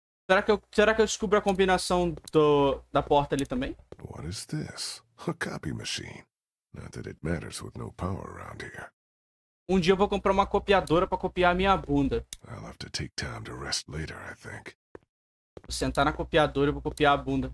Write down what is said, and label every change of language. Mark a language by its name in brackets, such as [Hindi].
[Portuguese] Será que eu descubro a combinação da porta ali também? [English] What is this? A copy machine. Not that it matters with no power around here. [Portuguese] Um dia eu vou comprar uma copiadora para copiar a minha bunda. [English] I'll have to take time to rest later, I think. [Portuguese] Vou sentar na copiadora e vou copiar a bunda.